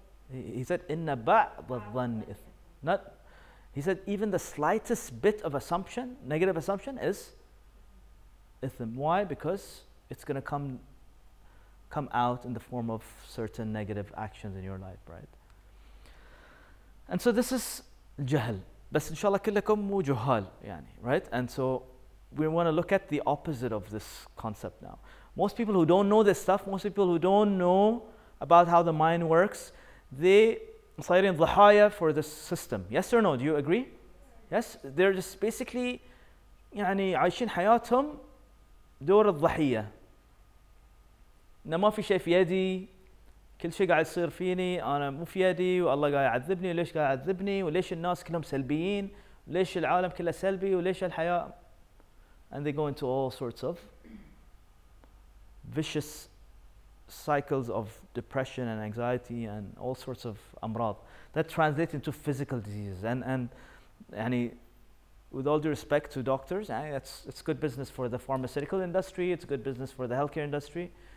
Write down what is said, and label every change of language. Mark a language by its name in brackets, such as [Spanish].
[English] He said, [Arabic] inna ba'da dhan, [English] not. He said, even the slightest bit of assumption, negative assumption, is ithm. Why? Because it's going to come out in the form of certain negative actions in your life, right? And so this is jahl. [Arabic] بس إن شاء الله كلكم مو جهال يعني, [English] right? And so we want to look at the opposite of this concept now. Most people who don't know this stuff, most people who don't know about how the mind works, they... Sayyidin Dhahaya for this system. Yes or no? Do you agree? Yes? They're just basically [Arabic] يعني عايشين حياتهم دور الضحية. إنه ما في شيء في يدي, كل شيء قاعد يصير فيني, أنا مو في يدي, والله قاعد يعذبني, ليش قاعد يعذبني, وليش الناس كلهم سلبيين, ليش العالم كله سلبي, وليش الحياة. [English] And they go into all sorts of vicious cycles of depression and anxiety and all sorts of amrad that translate into physical diseases. And with all due respect to doctors, it's good business for the pharmaceutical industry, it's good business for the healthcare industry.